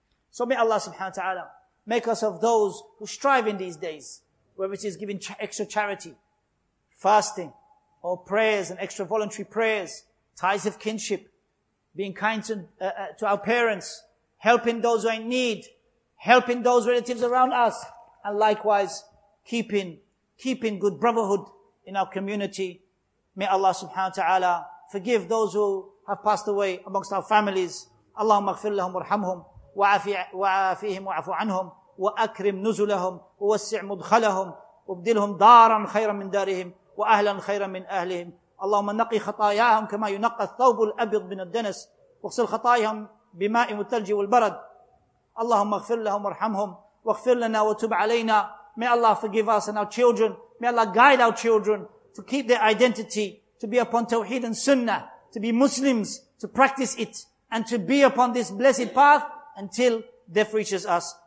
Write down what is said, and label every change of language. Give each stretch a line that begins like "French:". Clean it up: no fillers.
English: So may Allah subhanahu wa ta'ala make us of those who strive in these days, whether it is giving extra charity, fasting, or prayers and extra voluntary prayers, ties of kinship, being kind to our parents, helping those who are in need, helping those relatives around us, and likewise keeping good brotherhood in our community. May Allah subhanahu wa ta'ala forgive those who have passed away amongst our families.
Arabic: Allahumma aghfir lahum warhamhum. وعافيهم وعفو عنهم وأكرم نزلهم ووسع مدخلهم وابدلهم دارا خيرا من دارهم وأهلا خيرا من أهلهم. اللهم نقي خطاياهم كما ينقى الثوب الأبيض من الدنس واغسل خطاياهم بماء الثلج والبرد. اللهم اغفر لهم وارحمهم واغفر لنا وتب علينا.
English: May Allah forgive us and our children. May Allah guide our children to keep their identity, to be upon Tawheed and Sunnah, to be Muslims, to practice it, and to be upon this blessed path until death reaches us.